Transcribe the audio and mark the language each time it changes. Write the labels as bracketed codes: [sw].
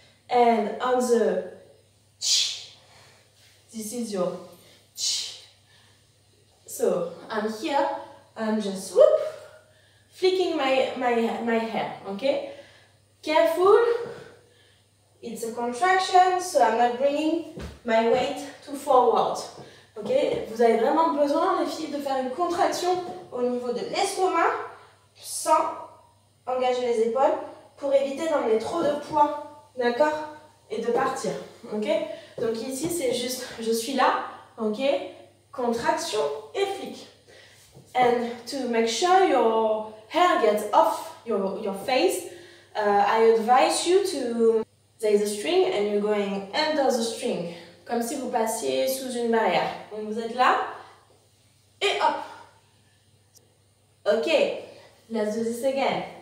[en] And on the ch, this is your ch. So, I'm here, I'm just whoop, flicking my hair, okay? Careful, it's a contraction, so I'm not bringing my weight too forward, okay? [fr] Vous avez vraiment besoin, les filles, de faire une contraction au niveau de l'estomac sans engager les épaules pour éviter d'emmener trop de poids, d'accord? Et de partir, okay? Donc ici, c'est juste, je suis là, okay? Contraction et flic. [en] And to make sure your hair gets off your face, I advise you to... There's a string and you're going under the string. [fr] Comme si vous passiez sous une barrière. Donc vous êtes là. Et hop. Okay. [en] Let's do this again.